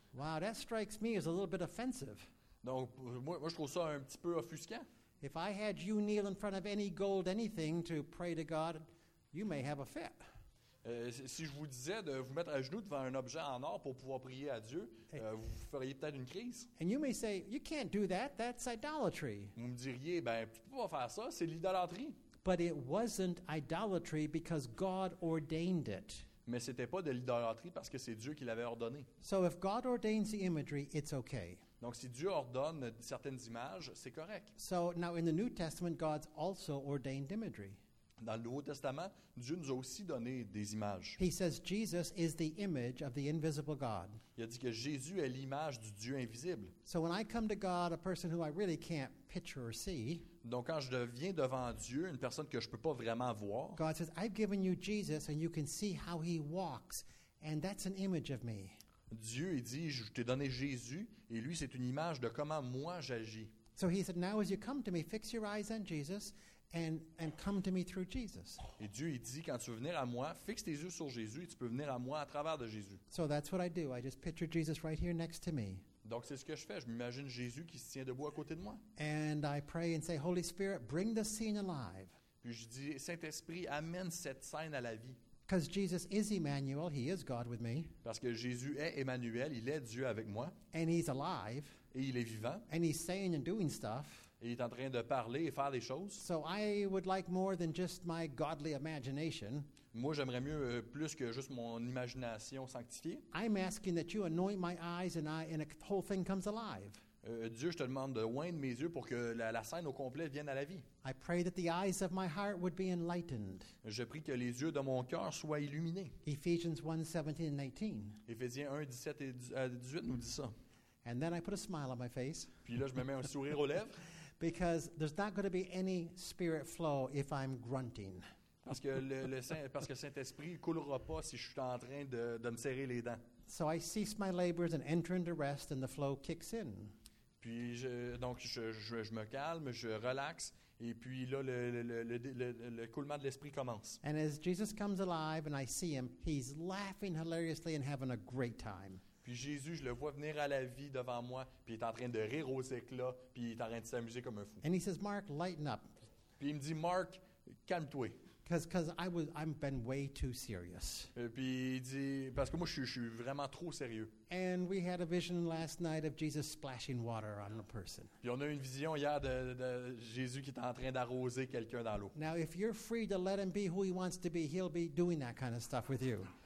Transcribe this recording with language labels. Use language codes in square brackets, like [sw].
[en] Wow, that strikes me as a little bit offensive. [fr] Donc moi je trouve ça un petit peu offusquant. [en] If I had you kneel in front of any gold anything to pray to God, you may have a fit. [fr] Si je vous disais de vous mettre à genoux devant un objet en or pour pouvoir prier à Dieu, vous feriez peut-être une crise. [en] And you may say, you can't do that. That's idolatry. [fr] Vous me diriez, ben, tu peux pas faire ça, c'est l'idolâtrie. [en] But it wasn't idolatry because God ordained it. [fr] Mais c'était pas de l'idolâtrie parce que c'est Dieu qui l'avait ordonné. [en] So if God ordains the imagery, it's okay. [fr] Donc si Dieu ordonne certaines images, c'est correct. [en] So now in the New Testament, God's also ordained imagery. [fr] Dans le Nouveau Testament, Dieu nous a aussi donné des images. [en] He says Jesus is the image of the invisible God. [fr] Il a dit que Jésus est l'image du Dieu invisible. [en] So when I come to God, a person who I really can't picture or see. [fr] Donc quand je deviens devant Dieu, une personne que je peux pas vraiment voir. [en] God says, I've given you Jesus and you can see how he walks and that's an image of me. [fr] Dieu il dit, je t'ai donné Jésus et lui c'est une image de comment moi j'agis. [en] So he said, now as you come to me, fix your eyes on Jesus. And come to me through Jesus. [fr] Et Dieu il dit quand tu veux venir à moi, fixe tes yeux sur Jésus et tu peux venir à moi à travers de Jésus. [en] So that's what I do. I just picture Jesus right here next to me. [fr] Donc c'est ce que je fais, je m'imagine Jésus qui se tient debout à côté de moi. [en] And I pray and say Holy Spirit, bring the scene alive. [fr] Puis je dis Saint-Esprit, amène cette scène à la vie. [en] Because Jesus is Emmanuel, he is God with me. [fr] Parce que Jésus est Emmanuel, il est Dieu avec moi. [en] And he's alive. [fr] Et il est vivant. [en] And he's saying and doing stuff. [fr] Et il est en train de parler et faire des choses. [en] So I would like more than just my godly imagination. [fr] Moi, j'aimerais mieux plus que juste mon imagination sanctifiée. [en] I'm asking that you anoint my eyes and the whole thing comes alive. [fr] Dieu, je te demande de oindre mes yeux pour que la scène au complet vienne à la vie. [en] I pray that the eyes of my heart would be enlightened. [fr] Je prie que les yeux de mon cœur soient illuminés. [en] Ephesians 1, 17 and 18. [fr] Éphésiens 1, 17 et 18 nous dit ça. [en] And then I put a smile on my face. [fr] Puis là, je me mets un sourire aux lèvres. [en] Because there's not going to be any spirit flow if I'm grunting. [fr] Parce que le Saint-Esprit coulera pas si je suis en train de me serrer les dents. [en] So I cease my labors and enter into rest, and the flow kicks in. [fr] Puis je me calme, je relaxe, et puis là le coulement de l'esprit commence. [en] And as Jesus comes alive and I see him, he's laughing hilariously and having a great time. [fr] Puis Jésus, je le vois venir à la vie devant moi, puis il est en train de rire aux éclats, puis il est en train de s'amuser comme un fou. [en] And he says, Mark, lighten up. [fr] Puis il me dit, Mark, calme-toi. [en] I've been way too serious. [fr] Puis il dit, parce que moi, je suis vraiment trop sérieux. [en] And we had a vision last night of Jesus splashing water on a person. [fr] Puis on a eu une vision hier de Jésus qui est en train d'arroser quelqu'un dans l'eau. [en] Now, if you're free to let him be who he wants to be, he'll be doing that kind of stuff with you.